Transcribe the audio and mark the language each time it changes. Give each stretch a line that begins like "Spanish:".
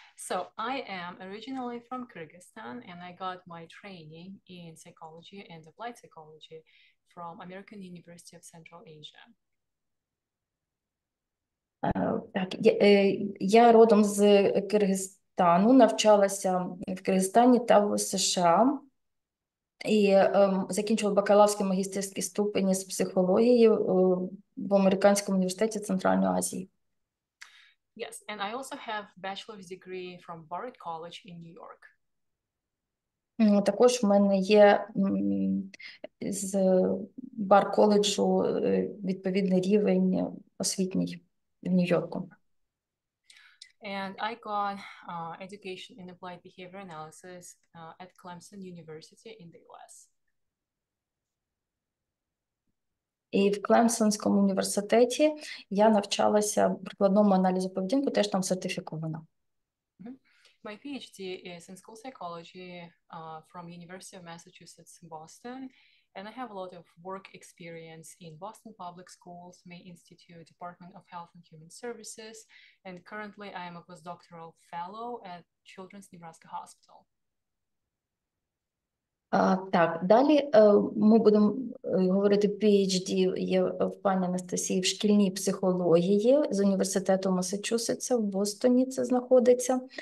English: So I am originally from Kyrgyzstan and I got my training in psychology and applied psychology from American University of Central Asia.
Ukrainian: Так, я родом з Киргизстану, навчалася в Киргизстані та в США. І закінчував бакалаврський магістерський ступені з психології в Американському університеті Центральної Азії.
English: Yes, and I also have bachelor's degree from Bard College in New York.
Ukrainian: Також в мене є з Бард коледжу відповідний рівень освітній в Нью-Йорку.
English: And I got education in applied behavior analysis at Clemson University in the US.
Ukrainian: І в Клемсонському університеті я навчалася прикладному аналізу поведінку, теж там сертифікована.
English: My PhD is in school psychology from University of Massachusetts in Boston, and I have a lot of work experience in Boston Public Schools, May Institute, Department of Health and Human Services, and currently I am a postdoctoral fellow at Children's Nebraska Hospital.
Ukrainian: Так, далі ми будемо говорити, PhD є в пані Анастасії в шкільній психології з університету Масачусетса в Бостоні, це знаходиться.